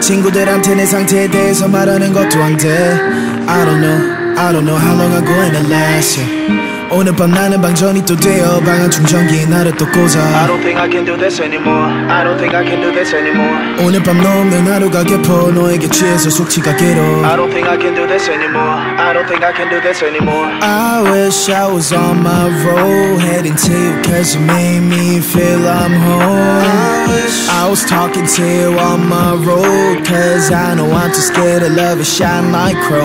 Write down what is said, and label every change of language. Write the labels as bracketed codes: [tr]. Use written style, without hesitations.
[ko] 친구들한테 내 상태에 대해서 말하는 것도 안 돼. [en] I don't know how long I'm going to last, yeah. [ko] 오늘 밤 나는 방전이 또 되어 방안 충전기 나를 또 꽂아. [en] I don't think I can do this anymore. I don't think I can do this anymore. [ko] 오늘 밤 너 없는 하루가 깊어 너에게 취해서 숙취가 길어. [en] I don't think I can do this anymore. I don't think I can do this anymore. I wish I was on my road, heading to you cause you made me feel I'm home. I was talking to you on my road, cause I know I'm too scared of love, it shine like chrome.